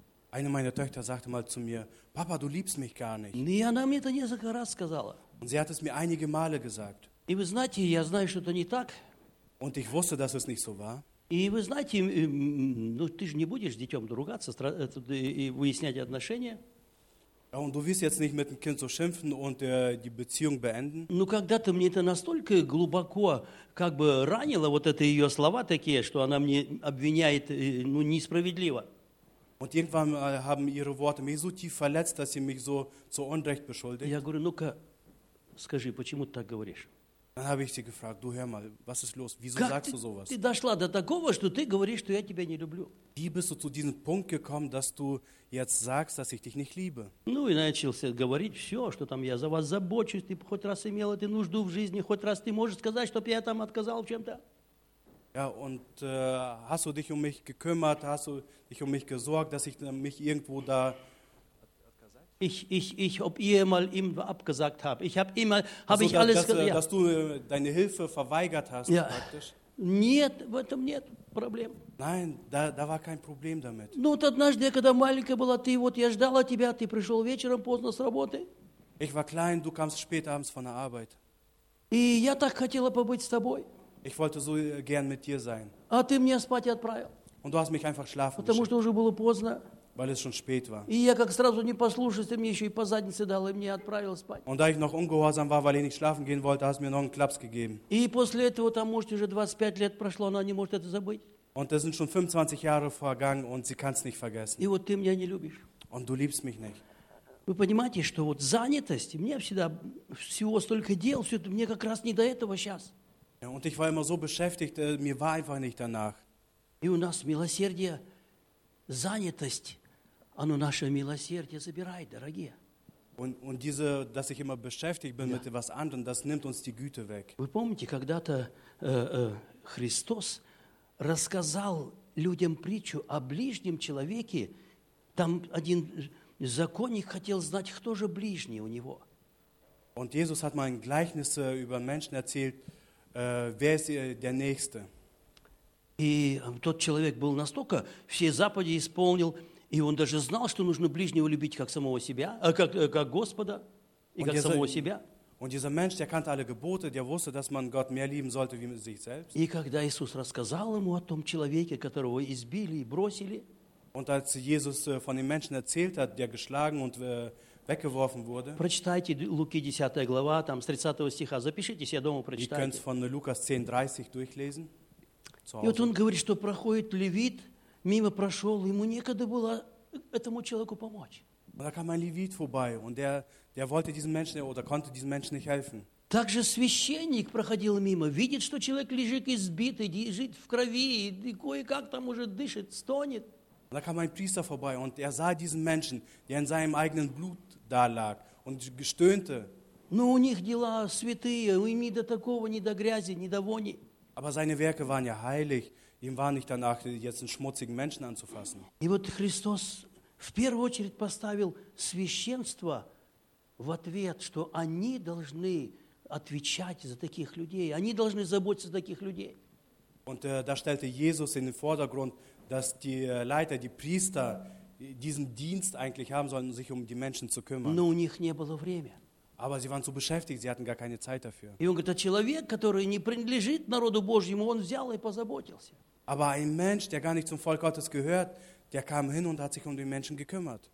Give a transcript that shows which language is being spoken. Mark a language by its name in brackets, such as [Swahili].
[German] Eine meiner Töchter sagte mal zu mir, Papa, du liebst mich gar nicht. [Russian] Nee, она мне это несколько раз сказала. [German] Und sie hat es mir einige Male gesagt. [Russian] И вы знаете, я знаю, что это не так. [German] Und ich wusste, dass es nicht so war. [Russian] И вы знаете, ну ты же не будешь с детем ругаться и выяснять отношения. [German] Ja, und du wirst jetzt nicht mit dem Kind so schimpfen und die Beziehung beenden. [Russian] Ну когда-то мне это настолько глубоко как бы ранило вот это ее слова такие, что она мне обвиняет, ну, несправедливо. [German] Und irgendwann haben ihre Worte mich so tief verletzt, dass sie mich so zu Unrecht beschuldigt. [Russian] Я говорю, ну-ка, скажи, почему ты так говоришь? [German] Dann habe ich sie gefragt, du hör mal, was ist los, wieso [Russian] как [German] sagst du sowas? [Russian] Ты дошла до такого, что ты говоришь, что я тебя не люблю? [German] Wie bist du zu diesem Punkt gekommen, dass du jetzt sagst, dass ich dich nicht liebe? [Russian] Ну и начался говорить все, что там я за вас забочусь, ты хоть раз имел эту нужду в жизни, хоть раз ты можешь сказать, чтоб я там отказал в чем-то? [German] Ja, und hast du dich um mich gekümmert, hast du dich um mich gesorgt, dass ich mich irgendwo da... Ich ob ihr mal ihm abgesagt habe. Ich habe immer, habe also, ich dass, alles dass, ja. Dass du deine Hilfe verweigert hast, ja. Praktisch. [Russian] Нет, в этом нет проблем. [German] Nein, da war kein Problem damit. [Russian] Ну, вот однажды, когда маленькая была, ты, вот я ждала тебя, ты пришел вечером поздно с работы. [German] Ich war klein, du kamst spät abends von der Arbeit. [Russian] И я так хотела побыть с тобой. [German] Ich wollte so gern mit dir sein. [Russian] А ты меня спать отправил. [German] Und du hast mich einfach schlafen [Russian] потому [German] geschickt. [Russian] Что уже было поздно. [German] Weil es schon spät war. [Russian] И я как сразу не послушался, ты мне еще и по заднице дал, и мне отправил спать. [German] Und da ich noch ungehorsam war, weil ich nicht schlafen gehen wollte, hast du mir noch einen Klaps gegeben. [Russian] И после этого, там, может, уже 25 лет прошло, она не может это забыть. [German] Und es sind schon 25 Jahre vergangen und sie kann es nicht vergessen. [Russian] И вот ты меня не любишь. [German] Und du liebst mich nicht. [Russian] Вы понимаете, что вот занятость, мне всегда всего столько дел, все, мне как раз не до этого сейчас. [German] Ja, und ich war immer so beschäftigt, mir war einfach nicht danach. [Russian] И у нас милосердие, занятость, оно наше милосердие забирает, дорогие. [German] Und diese, dass ich immer beschäftigt bin, ja. Mit etwas anderem, das nimmt uns die Güte weg. [Russian] Вы помните, когда-то Христос рассказал людям притчу о ближнем человеке, там один законник хотел знать, кто же ближний у него. [German] Und Jesus hat mal ein Gleichnis über Menschen erzählt, wer ist der Nächste? [Russian] И тот человек был настолько все заповеди исполнил, и он даже знал, что нужно ближнего любить как самого себя, как Господа и [German] und [Russian] как [German] dieser, [Russian] самого себя. [German] Und dieser Mensch, der kannte alle Gebote, der wusste, dass man Gott mehr lieben sollte wie sich selbst. [Russian] И когда Иисус рассказал ему о том человеке, которого избили и бросили, [German] und als Jesus von dem Menschen erzählt hat, der geschlagen und weggeworfen wurde. [Russian] Прочитайте Луки 10 глава, там с 30 стиха. Запишите себе дома, прочитайте. [German] Ihr könnt von Lukas 10:30 durchlesen. [Russian] И вот он говорит, что проходит левит, мимо прошел, ему некогда было этому человеку помочь. [German] Da kam ein Levit vorbei und der wollte diesem Menschen oder konnte diesem Menschen nicht helfen. [Russian] Также священник проходил мимо, видит, что человек лежит избитый, лежит в крови, и кое-как там уже дышит, стонет. [German] Da kam ein Priester vorbei und sah diesen Menschen, der in seinem eigenen Blut da lag und gestöhnte. [Russian] Но у них дела святые, у них ни до такого, ни до грязи, ни до вони. [German] Aber seine Werke waren ja heilig. Ihm war nicht danach, jetzt einen schmutzigen Menschen anzufassen. [Russian] И вот Христос в первую очередь поставил священство в ответ, что они должны отвечать за таких людей, они должны заботиться о таких людей. [German] Und da stellte Jesus in den Vordergrund, dass die Leiter, die Priester diesen Dienst eigentlich haben sollen, sich um die Menschen zu kümmern. [Russian] Но у них не было времени. [German] Aber sie waren so beschäftigt, sie hatten gar keine Zeit dafür. [Russian] И он говорит, человек, который не принадлежит народу Божьему, он взял и позаботился. [German] Aber ein Mensch, der gar nicht zum Volk Gottes gehört, der kam hin und hat sich um die Menschen gekümmert.